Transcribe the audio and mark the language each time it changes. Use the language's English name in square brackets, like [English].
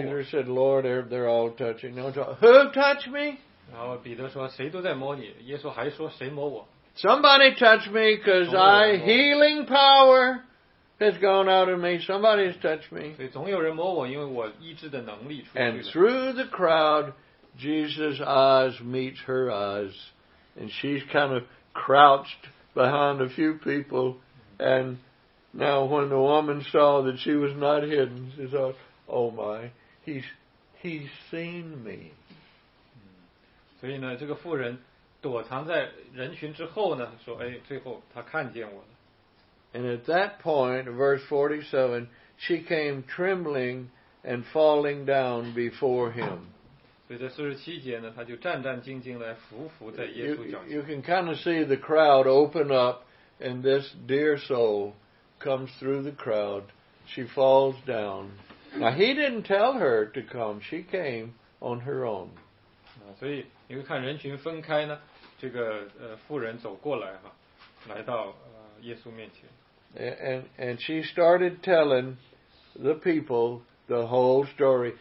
[English] Peter said, Lord, they're all touching. No, who touched me? [Chinese] 然后彼得说谁都在摸你，耶稣还说谁摸我？ [English] Somebody touched me, because I healing power has gone out of me. Somebody's touched me. [Chinese] 所以总有人摸我，因为我医治的能力出去了。 [English] And through the crowd, Jesus' eyes meet her eyes, and she's kind of crouched behind a few people, and now, when the woman saw that she was not hidden, she thought, oh my, he's seen me. [Chinese] 所以呢，这个妇人躲藏在人群之后呢，说，哎，最后她看见我了。 [English] And at that point, verse 47, she came trembling and falling down before him. [Chinese] 所以在四十七节呢，她就战战兢兢来伏伏在耶稣脚前。 [English] You can kind of see the crowd open up and this dear soul comes through the crowd, she falls down. Now he didn't tell her to come, she came on her own. [Chinese] 所以你会看人群分开呢，这个妇人走过来哈，来到耶稣面前。 [English] And she started telling the people the whole story.